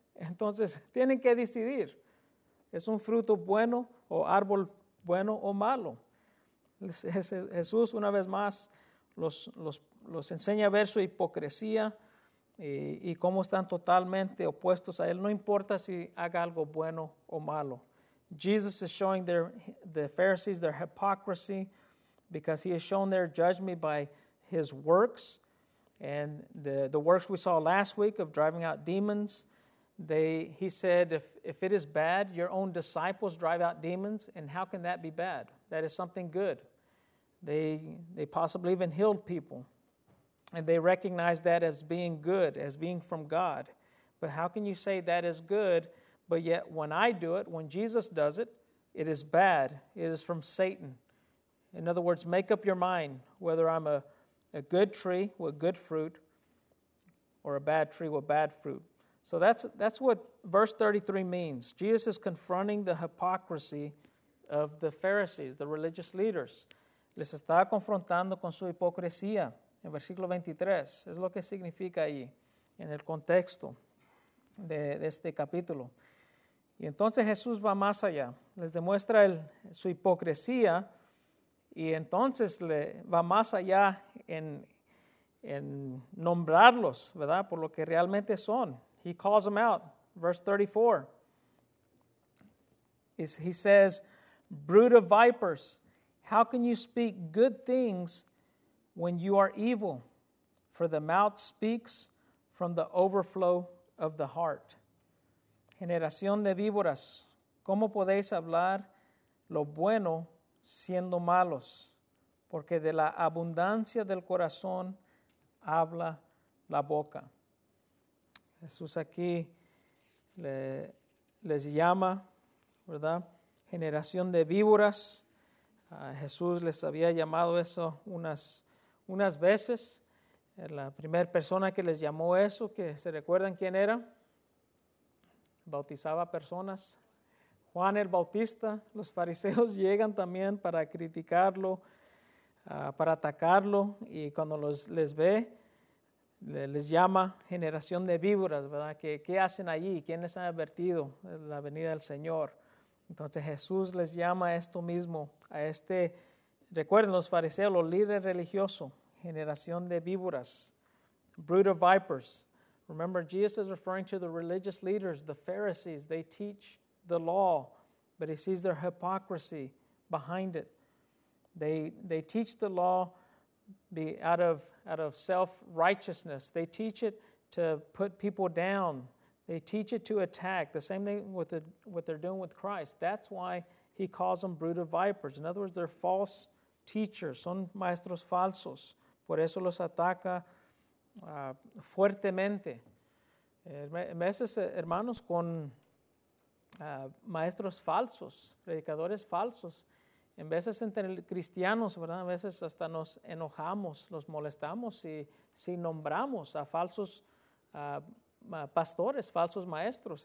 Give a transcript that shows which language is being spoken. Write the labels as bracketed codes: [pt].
[es] Entonces tienen que decidir. ¿Es un fruto bueno o árbol bueno o malo? Jesús una vez más los enseña a ver su hipocresía y cómo están totalmente opuestos a él. No importa si haga algo bueno o malo. [en] Jesus is showing the Pharisees their hypocrisy because he has shown their judgment by his works and the works we saw last week of driving out demons. He said, if it is bad, your own disciples drive out demons, and how can that be bad? That is something good. They possibly even healed people. And they recognize that as being good, as being from God. But how can you say that is good, but yet when I do it, when Jesus does it, it is bad. It is from Satan. In other words, make up your mind whether I'm a good tree with good fruit or a bad tree with bad fruit. So that's what verse 33 means. Jesus is confronting the hypocrisy of the Pharisees, the religious leaders. [es] Les está confrontando con su hipocresía. En versículo 23, es lo que significa ahí, en el contexto de este capítulo. Y entonces Jesús va más allá. Les demuestra su hipocresía y entonces le va más allá en nombrarlos, ¿verdad? Por lo que realmente son. [en] He calls them out. Verse 34. He says, brood of vipers, how can you speak good things when you are evil? For the mouth speaks from the overflow of the heart. [es] Generación de víboras, ¿cómo podéis hablar lo bueno siendo malos? Porque de la abundancia del corazón habla la boca. Jesús aquí les llama, ¿verdad? Generación de víboras. Jesús les había llamado eso unas veces. La primera persona que les llamó eso, que se recuerdan quién era, bautizaba personas. Juan el Bautista, los fariseos llegan también para criticarlo, para atacarlo, y cuando les ve, les llama generación de víboras, ¿verdad? ¿Qué hacen allí? ¿Quién les ha advertido la venida del Señor? Entonces Jesús les llama a esto mismo, a este, recuerden los fariseos, los líderes religiosos, generación de víboras, [en] brood of vipers. Remember, Jesus is referring to the religious leaders, the Pharisees. They teach the law, but he sees their hypocrisy behind it. They teach the law out of self-righteousness. They teach it to put people down. They teach it to attack. The same thing with what they're doing with Christ. That's why he calls them brood of vipers. In other words, they're false teachers. [es] Son maestros falsos. Por eso los ataca fuertemente. Meses, hermanos, con maestros falsos, predicadores falsos. En veces entre cristianos, ¿verdad? A veces hasta nos enojamos, nos molestamos si nombramos a falsos pastores, falsos maestros.